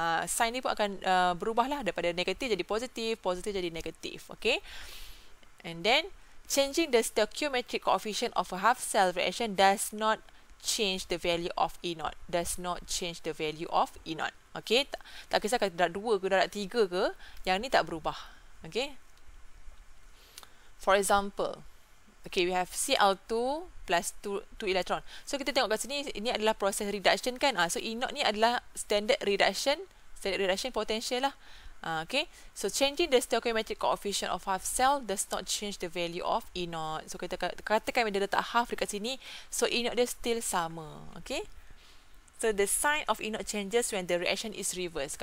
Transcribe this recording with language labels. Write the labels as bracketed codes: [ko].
[ms] Sign ni pun akan berubahlah daripada negatif jadi positif, positif jadi negatif. [en] Okay, and then changing the stoichiometric coefficient of a half cell reaction does not change the value of E naught. Does not change the value of E naught. [ms] Okay, tak kisah kalau darab 2 ke darab 3 ke, yang ni tak berubah. [en] Okay, for example, okay, we have Cl2 plus 2 electron. [ms] So kita tengok kat sini, ini adalah proses reduction kan. So E naught ni adalah standard reduction potential lah. [en] Okay, so changing the stoichiometric coefficient of half cell does not change the value of E naught. [ms] So kita katakan dia letak half dekat sini, so E naught dia still sama. [en] Okay, so the sign of E naught changes when the reaction is reversed.